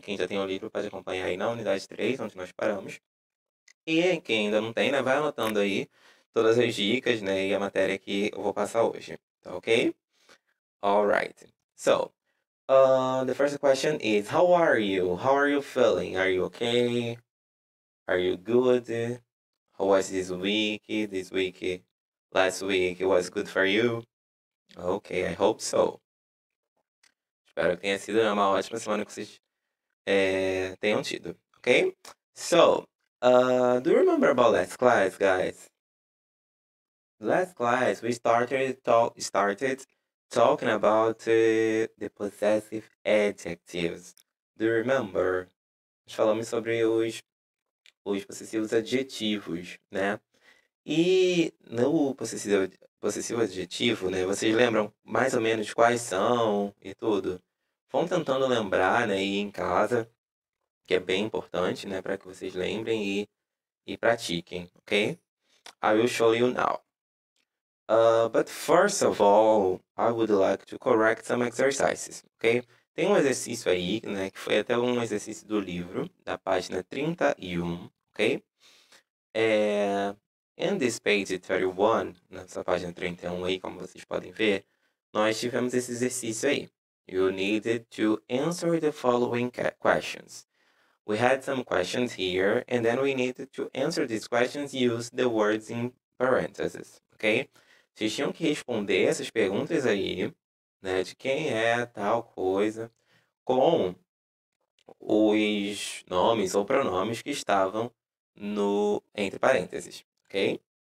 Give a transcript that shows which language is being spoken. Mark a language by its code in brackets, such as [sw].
[pt] Quem já tem o livro pode acompanhar aí na unidade 3, onde nós paramos. E quem ainda não tem, né? Vai anotando aí todas as dicas, né? E a matéria que eu vou passar hoje, tá ok? [en] All right. So the first question is, how are you? How are you feeling? Are you okay? Are you good? How was this week? This week? Last week? It was good for you? Okay, I hope so. [pt] Espero que tenha sido uma ótima semana que vocês tenham tido, ok? [en] So, do you remember about last class, guys? Last class, we started talking about the possessive adjectives. Do you remember? [pt] Nós falamos sobre os possessivos adjetivos, né? E no possessivo adjetivo, né? Vocês lembram mais ou menos quais são e tudo? Vão tentando lembrar, né? Aí em casa, que é bem importante, né? Para que vocês lembrem e pratiquem, ok? [en] I will show you now. But first of all, I would like to correct some exercises, ok? [pt] Tem um exercício aí, né? Que foi até um exercício do livro, da página 31, ok? [en] In this page 31, [pt] nessa página 31 aí, como vocês podem ver, nós tivemos esse exercício aí. [en] You needed to answer the following questions. We had some questions here, and then we needed to answer these questions using the words in parentheses, ok? [pt] Vocês tinham que responder essas perguntas aí, né? De quem é tal coisa, com os nomes ou pronomes que estavam no entre parênteses, ok?